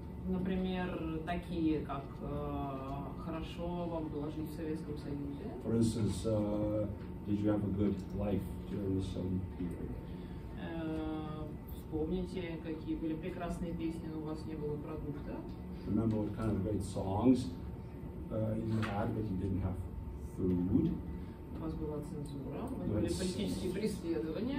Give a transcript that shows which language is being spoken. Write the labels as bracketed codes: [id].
[ru] Например, такие, как хорошо вам было жить в Советском Союзе. [en] For instance, did you have a good life during the Soviet period? [ru] Вспомните, какие были прекрасные песни, но у вас не было продукта. [en] Remember what kind of great songs you had, but you didn't have food. [ru] У вас была цензура, были политические преследования.